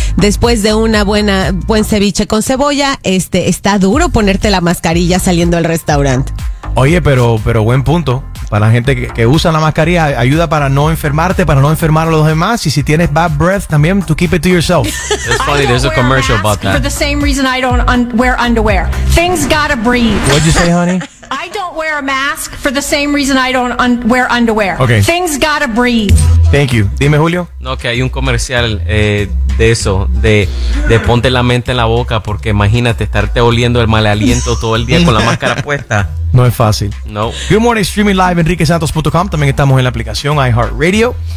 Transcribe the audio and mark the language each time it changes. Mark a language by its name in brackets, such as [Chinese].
[Spanish] Después de una buen ceviche con cebolla, está duro ponerte la mascarilla saliendo al restaurante. Oye, pero buen punto. Para la gente que usa la mascarilla, ayuda para no enfermarte, para no enfermar a los demás. Y si tienes [English] bad breath, [Spanish] también, [English] to keep it to yourself. It's funny, there's a commercial about that. For the same reason I don't wear underwear. Things gotta breathe. What'd you say, honey? I don't wear a mask for the same reason I don't wear underwear. Okay. Things gotta breathe. Thank you. [Spanish] Dime, [English] Julio. [Spanish] No, que hay un comercial de eso, de ponte la mente en la boca, porque imagínate estarte oliendo el mal aliento todo el día con la máscara puesta. No es fácil. No. [English] Good morning, streaming live, [Spanish] enriquesantos.com. También estamos en la aplicación iHeartRadio.